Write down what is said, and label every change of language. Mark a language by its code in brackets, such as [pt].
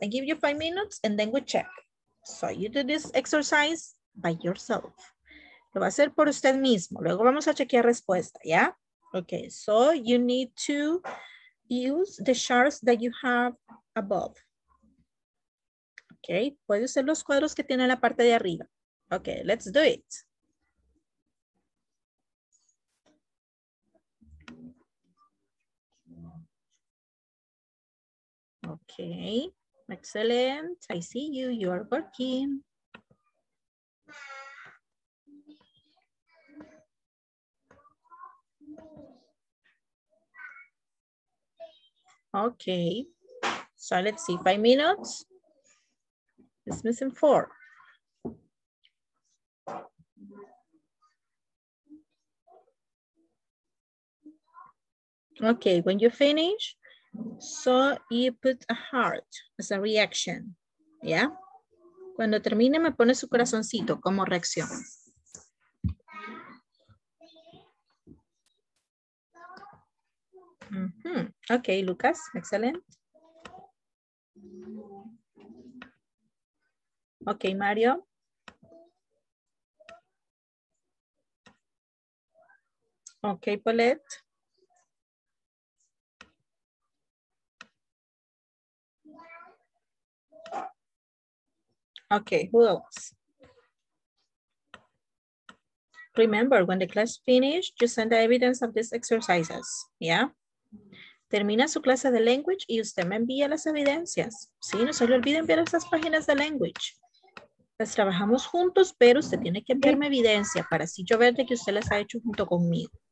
[en] I give you 5 minutes and then we check. So you do this exercise by yourself. [es] Lo va a hacer por usted mismo. Luego vamos a chequear respuesta, ¿ya? [en] Okay, so you need to use the charts that you have above. [es] Okay, puede usar los cuadros que tiene en la parte de arriba. [en] Okay, let's do it. Okay, excellent. I see you. You are working. Okay, so let's see, 5 minutes. It's missing 4. Okay, when you finish, so you put a heart as a reaction. Yeah? [es] Cuando termine, me pone su corazoncito como reacción. [en] Mm-hmm. Okay, Lucas, excellent. Okay, Mario. Okay, Paulette. Okay, who else? Remember, when the class finished, you send the evidence of these exercises, yeah? [es] termina su clase de language y usted me envía las evidencias. Sí, no se le olvide enviar esas páginas de language. Las trabajamos juntos, pero usted tiene que enviarme evidencia para así yo ver de que usted las ha hecho junto conmigo.